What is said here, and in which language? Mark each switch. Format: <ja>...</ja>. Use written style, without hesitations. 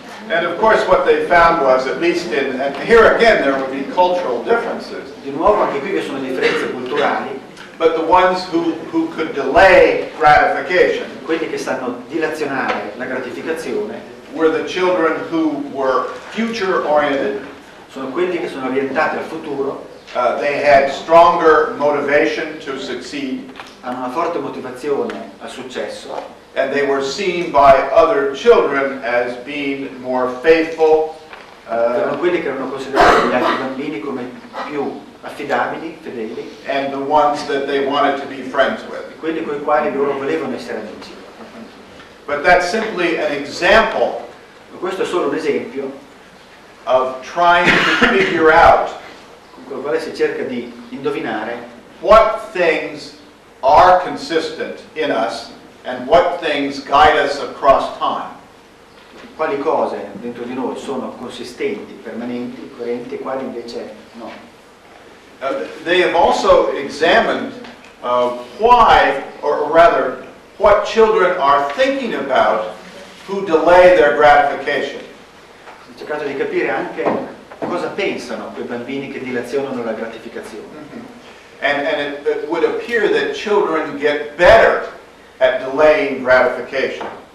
<en>And of course what they found was, at least in, and here again there would be cultural differences.</en> <it>Di nuovo anche qui ci sono differenze culturali.</it> <en>But the ones who could delay gratification.</en> <it>Quelli che sanno dilazionare la gratificazione.</it> <en>Were the children who were future oriented.</en> <it>Sono quelli che sono orientati al futuro.</it> <en>They had stronger motivation to succeed.</en> <it>Hanno una forte motivazione al successo.</it> <en>And they were seen by other children as being more faithful.</en> <it>Erano quelli che erano considerati gli altri bambini come più affidabili, fedeli.</it> <en>And the ones that they wanted to be friends with.</en> <it>Quelli con i quali loro volevano essere amici.</it> <en>But that's simply an example.</en> <it>Ma questo è solo un esempio.</it> <en>Of trying to figure out.</en> <it>Con il quale si cerca di indovinare.</it> <en>What things are consistent in us and what things guide us across time.</en> <it>Quali cose dentro di noi sono consistenti, permanenti, coerenti, quali invece no.</it> <en>They have also examined why, or rather, what children are thinking about who delay their gratification.</en> <it>Ho cercato di capire anche cosa pensano quei bambini che dilazionano la gratificazione.</it> <en>And it would appear that children get better at delaying gratification.</en>